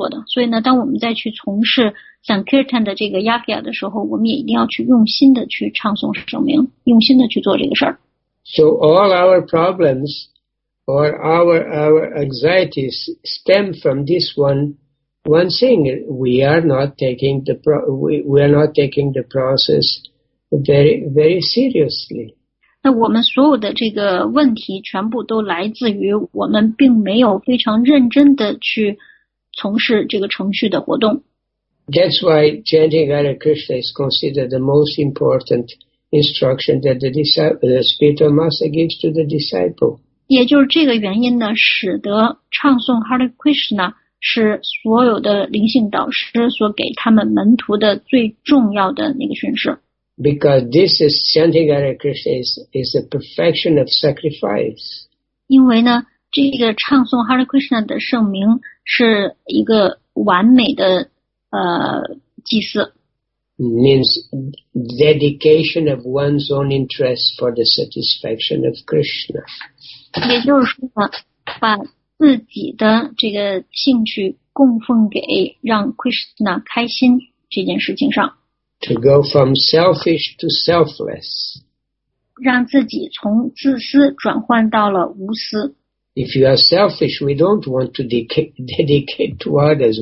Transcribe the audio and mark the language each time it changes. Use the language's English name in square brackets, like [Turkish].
[Chinese] 所以说呢，就是当我们在为别人在去做一些这个事情的时候呢，我们也是要用心去做的。所以呢，当我们在去从事 想Kirtan的这个Yagya的时候，我们也一定要去用心的去唱诵圣名，用心的去做这个事儿。 [English] So all our problems or our anxieties stem from this one thing. We are not taking the process very very seriously. [Chinese] 那我们所有的这个问题全部都来自于我们并没有非常认真的去从事这个程序的活动。 [English] That's why chanting Hare Krishna is considered the most important instruction that the spiritual master gives to the disciple. [Chinese] 也就是这个原因呢，使得唱诵 Hare Krishna 是所有的灵性导师所给他们门徒的最重要的那个训示。 [English] Because this is chanting Hare Krishna is the perfection of sacrifice. [Chinese] 因为呢，这个唱诵 Hare Krishna 的圣名是一个完美的。祭祀 [English] means dedication of one's own interest for the satisfaction of Krishna. [Chinese] 也就是说，把自己的这个兴趣供奉给让 Krishna 开心这件事情上。 [English] To go from selfish to selfless. [Chinese] 让自己从自私转换到了无私。 [English] If you are selfish, we don't want to dedicate to others.